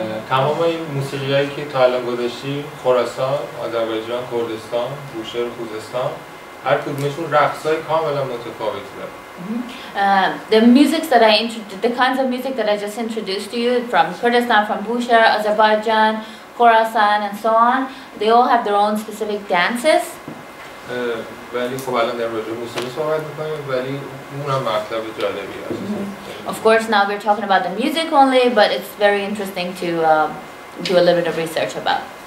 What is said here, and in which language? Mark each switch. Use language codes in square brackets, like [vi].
[fa] تمام این موسیقی هایی که تا الان گذاشتی خراسان، آذربایجان، کردستان، بوشهر، خوزستان هر کدومشون رقص های کاملا متفاوتی داره. [en] The music that I the kinds of music that I just introduced to you from Kurdistan, from Bushehr, Azerbaijan, Khorasan and so on, they all have their own specific dances. [fa] ولی خب الان در راجع موسیقی صحبت میکنیم ولی اون هم مطلب جالبی هست. [en] Of course, now we're talking about the music only, but it's very interesting to do a little bit of research about.